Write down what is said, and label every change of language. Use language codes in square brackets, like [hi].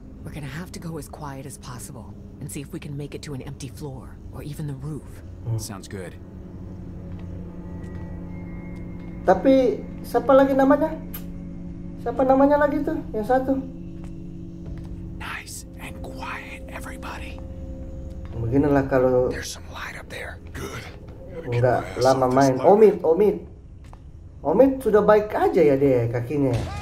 [en] We're gonna have to go as quiet as possible and see if we can make it to an empty floor or even the roof. Sounds good. [id] Tapi siapa lagi namanya? Siapa namanya lagi tuh? Yang satu. [en] Nice and quiet everybody. [id] Beginilah kalau [en] there's some light up there. Good. [id] Udah lama main. Omid. Omid sudah baik aja ya deh kakinya.